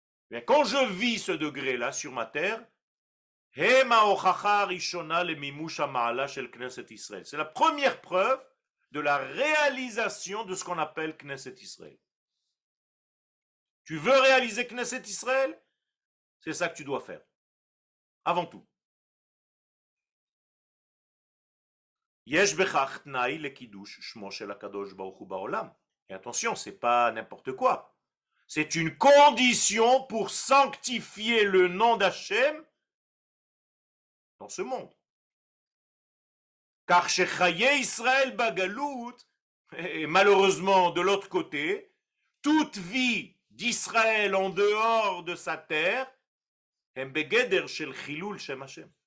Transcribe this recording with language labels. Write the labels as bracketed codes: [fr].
[fr] Mais quand je vis ce degré-là sur ma terre, c'est la première preuve de la réalisation de ce qu'on appelle Knesset Israël. Tu veux réaliser Knesset Israël? C'est ça que tu dois faire. Avant tout. [he] יש בכך תנאי לקידוש שמו של הקדוש ברוך הוא בעולם. [fr] Et attention, c'est pas n'importe quoi. C'est une condition pour sanctifier le nom d'Hachem dans ce monde. Car [he] שחיי ישראל בגלות, [fr] et malheureusement de l'autre côté, toute vie d'Israël en dehors de sa terre, [he] הם בגדר של חילול שם Hachem.